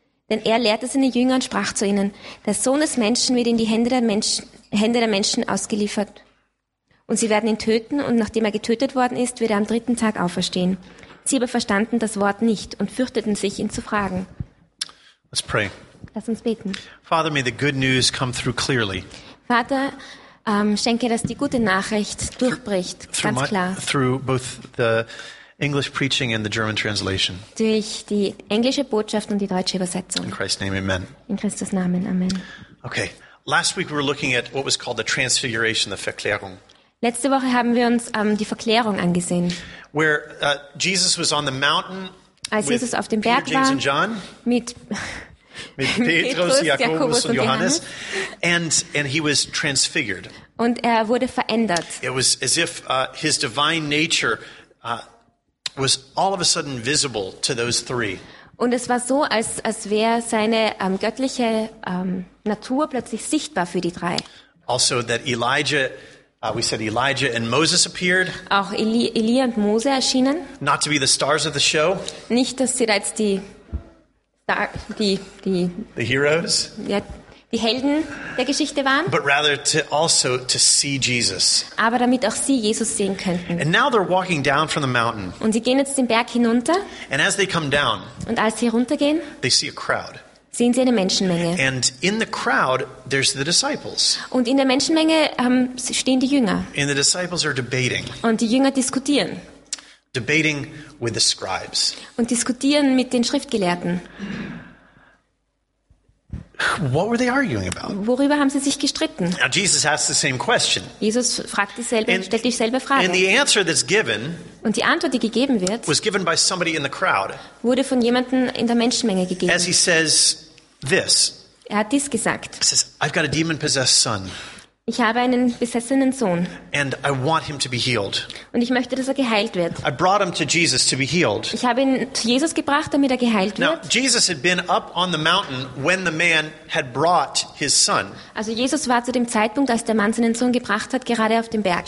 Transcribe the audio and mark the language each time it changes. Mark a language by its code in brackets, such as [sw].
[de] Denn er lehrte seine Jünger und sprach zu ihnen: Der Sohn des Menschen wird in die Hände der Menschen ausgeliefert. Und sie werden ihn töten, und nachdem er getötet worden ist, wird er am dritten Tag auferstehen. Sie aber verstanden das Wort nicht und fürchteten sich, ihn zu fragen. [en] Let's pray. [de] Lass uns beten. [en] Father, may the good news come through clearly. [de] Vater, schenke, dass die gute Nachricht durchbricht, [en] through [de] ganz klar. [en] Through both the English preaching and the German translation. [de] Durch die englische Botschaft und die deutsche Übersetzung. [en] In Christ's name, amen. [de] In Christus Namen, amen. [en] Okay, last week we were looking at what was called the Transfiguration, the Verklärung. [de] Letzte Woche haben wir uns die Verklärung angesehen. [en] Where Jesus was on the mountain. [de] Als Jesus [en] with [de] auf dem [en] Peter, [de] Berg war. [en] James and John, [de] mit Petrus, Jakobus und Johannes. [en] And he was transfigured. [de] Und er wurde verändert. [en] It was as if his divine nature was all of a sudden visible to those three. [de] Und es war so, als wäre seine göttliche Natur plötzlich sichtbar für die drei. [en] Also that Elijah. We said Elijah and Moses appeared. [de] Auch Elia und Mose erschienen. [en] Not to be the stars of the show. [de] Nicht, dass sie jetzt die [en] the heroes. [de] Ja, die Helden der Geschichte waren. [en] But rather to see Jesus. [de] Aber damit auch sie Jesus sehen könnten. [en] And now they're walking down from the mountain. [de] Und sie gehen jetzt den Berg hinunter. [en] And as they come down. [de] Und als sie runtergehen. [en] They see a crowd. [de] Sehen Sie eine Menschenmenge. [en] And in the crowd, there's the disciples. [de] Und in der Menschenmenge stehen die Jünger. [en] And the disciples are debating. [de] Und die Jünger diskutieren. [en] Debating with the scribes. [de] Und diskutieren mit den Schriftgelehrten. [en] What were they arguing about? [de] Worüber haben sie sich gestritten? [en] Now Jesus asked the same question. [de] Jesus fragt dieselbe, [en] and, [de] stellt dieselbe Frage. [en] And the answer that's given, [de] und die Antwort, die gegeben wird, [en] was given by somebody in the crowd. [de] Wurde von jemandem in der Menschenmenge gegeben. [en] As he says this. [de] Er hat dies gesagt. [en] He says, I've got a demon-possessed son. [de] Ich habe einen besessenen Sohn. [en] And I want him to be healed. [de] Und ich möchte, dass er geheilt wird. [en] I brought him to Jesus to be healed. [de] Ich habe ihn zu Jesus gebracht, damit er geheilt [en] now, [de] wird. [en] Jesus had been up on the mountain when the man had brought his son. [de] Also Jesus war zu dem Zeitpunkt, als der Mann seinen Sohn gebracht hat, gerade auf dem Berg.